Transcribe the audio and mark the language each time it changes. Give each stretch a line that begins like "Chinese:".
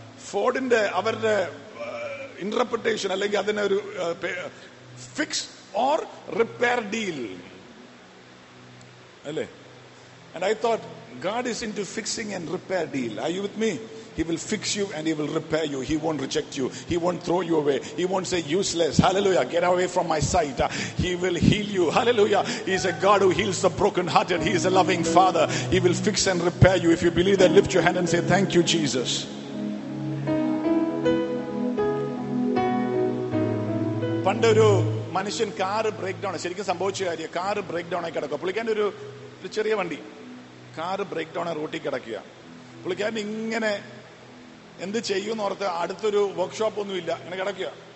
Malayalam: ഫോർഡിന്റെ അവരുടെ ഇന്റർപ്രിട്ടേഷൻ, അല്ലെങ്കിൽ അതിനെ ഒരു
English: fix or repair deal
Malayalam: അല്ലേ.
English: And I thought, God is into fixing and repair deal. Are you with me? He will fix you and he will repair you. He won't reject you. He won't throw you away. He won't say useless. Hallelujah. Get away from my sight. He will heal you. Hallelujah. He is a God who heals the brokenhearted. He is a loving father. He will fix and repair you. If you believe that, lift your hand and say, thank you, Jesus.
Malayalam: പണ്ടൊരു മനുഷ്യൻ car break down, ശരിക്കും സംഭവിച്ച കാര്യം, car break down ആയി കിടക്കും. പുള്ളിക്കാൻ ഒരു ചെറിയ വണ്ടി, കാറ് ബ്രേക്ക് ഡൗൺ ആയി റോട്ടിൽ കിടക്കുക. പുള്ളിക്കാരൻ ഇങ്ങനെ എന്ത് ചെയ്യുമെന്ന് ഓർത്ത് അടുത്തൊരു വർക്ക്ഷോപ്പ് ഒന്നുമില്ല, ഇങ്ങനെ കിടക്കുക.